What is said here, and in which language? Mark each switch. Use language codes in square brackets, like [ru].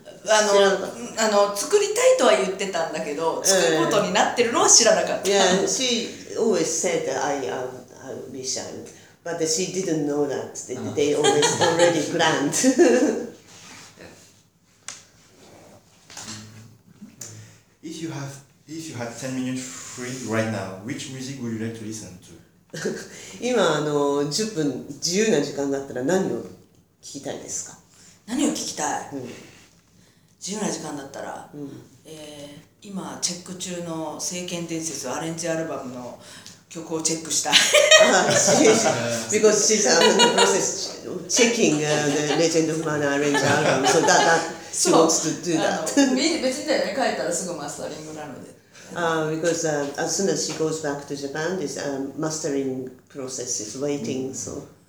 [ja] あの、作りたいとは言ってたんだけど、作ることになってるのは知らなかった。 [en] Yeah, she always said that I wish I would, but she didn't know that they, they always already planned. If you had 10 minutes free right now, which music would you like to listen to? [ja] 今あの10分自由な時間だったら何を聞きたいですか？何を聞きたい？自由な時間だったら、今チェック中の「聖剣伝説」アレンジアルバムの曲をチェックしたい。 [en] Because she's in the process of checking the Legend of Mana Arrange Album, so that she wants to do that. [ja] 別に帰ったらすぐマスタリングなので。 [en] Because as soon as she goes back to Japan, this mastering process is waiting, so.